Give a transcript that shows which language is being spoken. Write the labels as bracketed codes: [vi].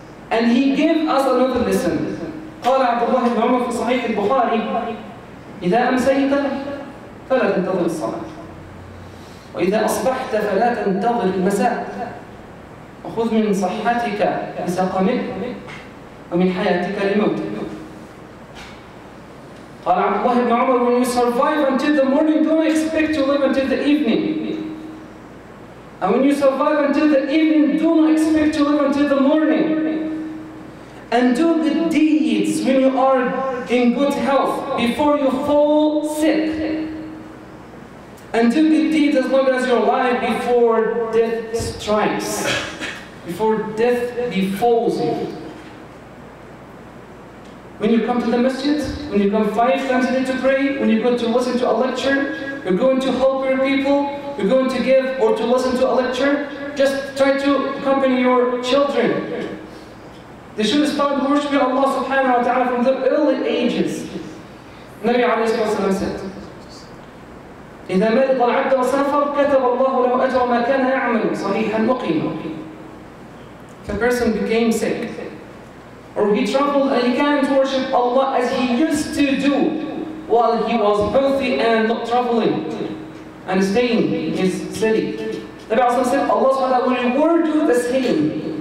[en] And he gave us another lesson. [ar] قال عبد الله بن عمر في صحيح البخاري إذا أمسيت فلا تنتظر الصلاة وإذا أصبحت فلا تنتظر المساء وخذ من صحتك لسقمك ومن حياتك لموتك. قال عبد الله بن عمر [en] when you survive until the morning don't expect to live until the evening and when you survive until the evening don't expect to live until the morning and do good deeds when you are in good health before you fall sick and do good deeds as long as you're alive before death strikes before death befalls you. When you come to the masjid, when you come 5 times a day to pray, when you go to listen to a lecture, you're going to help your people, you're going to give or to listen to a lecture, just try to accompany your children. They should start worshiping Allah subhanahu wa ta'ala from the early ages. Nabi alayhi salatu wasalam said, [ar] إِذَا مَرِضَ الْعَبْدَ وَسَافَرْ كَتَبَ اللَّهُ لَوْ أَجْرَ مَا كَانَ يَعْمَلُ صَحِيحًا مُقِيمًا. [en] If a person became sick, or he traveled and he can't worship Allah as he used to do while he was healthy and not traveling and staying in his city, Nabi alayhi salatu wasalam said, Allah will reward you the same.